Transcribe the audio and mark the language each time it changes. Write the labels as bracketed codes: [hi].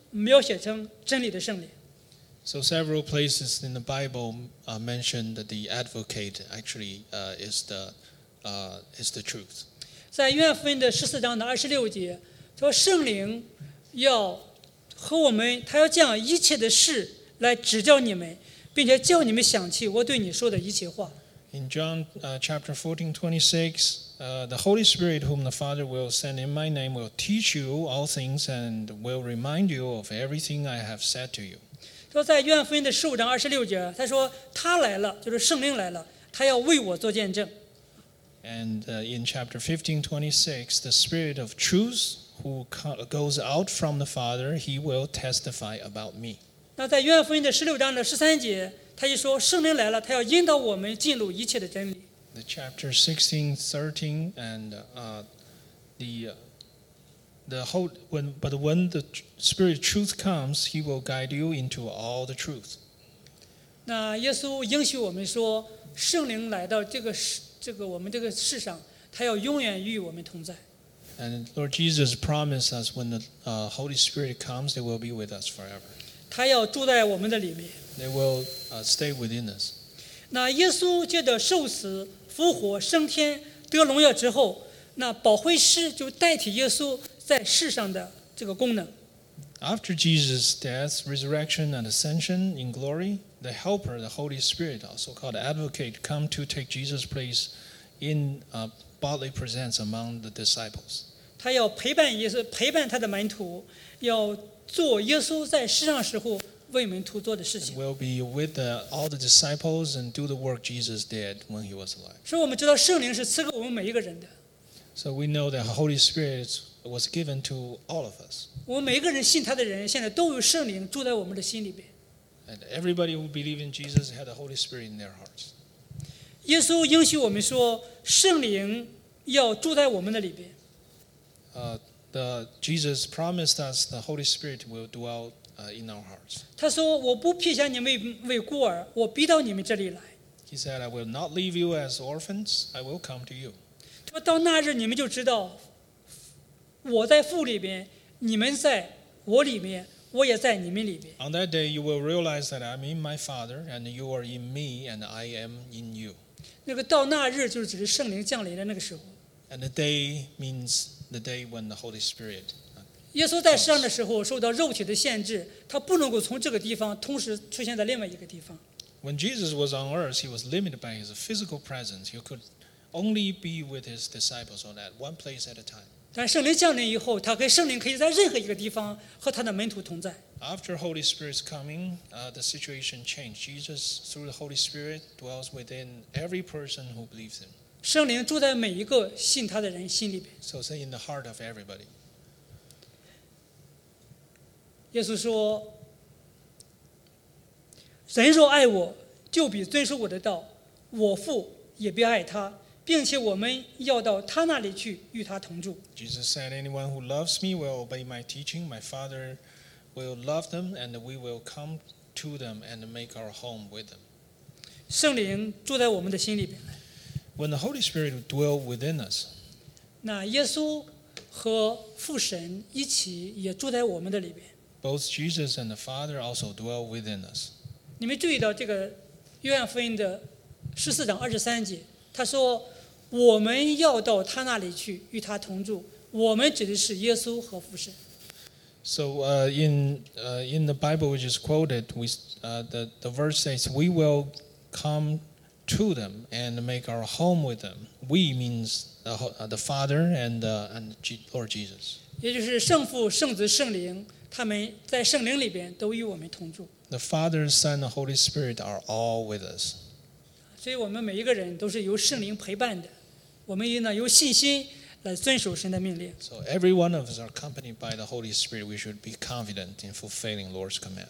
[zh] 描写成真理的圣灵。 [en] So several places in the Bible mentioned that the advocate actually is the truth. [zh] 在约翰福音的十四章的二十六节，说圣灵要和我们，他要将一切的事来指教你们，并且叫你们想起我对你说的一切话。 [en] In John chapter 14, 26, the Holy Spirit whom the Father will send in my name will teach you all things and will remind you of everything I have said to you. [zh] 说在约翰福音的十五章二十六节，他说他来了，就是圣灵来了，他要为我做见证。 [en] And in chapter 15, 26, the Spirit of truth who goes out from the Father, he will testify about me. [zh] 那在约翰福音的十六章的十三节，他一说圣灵来了，他要引导我们进入一切的真理。 [en] The chapter 16, 13, and the whole when but when the Spirit truth comes, he will guide you into all the truth. [zh] 那耶稣应许我们说，圣灵来到我们这个世上，他要永远与我们同在。 [en] And Lord Jesus promised us when the Holy Spirit comes, they will be with us forever. [zh] 他要住在我们的里面。 [en] They will stay within us. [zh] 那耶稣借着受死、复活、升天、得荣耀之后，那保惠师就代替耶稣在世上的这个功能。 [en] After Jesus' death, resurrection, and ascension in glory, the Helper, the Holy Spirit, also called Advocate, come to take Jesus' place in bodily presence among the disciples. [zh] 他要陪伴耶稣，陪伴他的门徒，要做耶稣在世上时候。 [en] And will be with all the disciples and do the work Jesus did when he was alive. [zh] 所以我们知道圣灵是赐给我们每一个人的。 [en] So we know that Holy Spirit was given to all of us. [zh] 我们每个人信他的人，现在都有圣灵住在我们的心里边。 [en] And everybody who believed in Jesus had the Holy Spirit in their hearts. [zh] 耶稣应许我们说，圣灵要住在我们的里边。 [en] Jesus promised us the Holy Spirit will dwell in our hearts. [zh] 他说，我不撇下你们为孤儿，我必到你们这里来。 [en] He said, I will not leave you as orphans, I will come to you. [zh] 到那日你们就知道我在父里边，你们在我里面，我也在你们里边。 [en] On that day, you will realize that I'm in my Father, and you are in me, and I am in you. [zh] 那个到那日就是指圣灵降临的那个时候。 [en] And the day means the day when the Holy Spirit comes. [zh] 耶稣在世上的时候受到肉体的限制，他不能够从这个地方同时出现在另外一个地方。 [en] When Jesus was on earth, he was limited by his physical presence. He could only be with his disciples on that one place at a time. [zh] 但圣灵降临以后，他跟圣灵可以在任何一个地方和他的门徒同在。 [en] After Holy Spirit's coming, the situation changed. Jesus, through the Holy Spirit, dwells within every person who believes him. [zh] 圣灵住在每一个信他的人心里边。 [en] So say in the heart of everybody. [zh] 耶稣说，人若爱我，就必遵守我的道，我父也必爱他，并且我们要到他那里去与他同住。 [en] Jesus said, anyone who loves me will obey my teaching. My Father will love them, and we will come to them and make our home with them. [zh] 圣灵住在我们的心里边。 [en] When the Holy Spirit dwells within us, [zh] 那耶稣和父神一起也住在我们的里边。 [en] Both Jesus and the Father also dwell within us. [zh] 你们注意到这个约翰福音的十四章二十三节，他说：“我们要到他那里去，与他同住。” 我们指的是耶稣和父神。 [en] So, in the Bible which is quoted, the verse says, "We will come to them and make our home with them." We means the Father and Lord Jesus. [zh] 也就是圣父、圣子、圣灵，他们在圣灵里边都与我们同住。 [en] The Father, Son, and Holy Spirit are all with us. [zh] 所以我们每一个人都是由圣灵陪伴的，我们应当由信心来遵守神的命令。 [en] So every one of us are accompanied by the Holy Spirit. We should be confident in fulfilling Lord's command.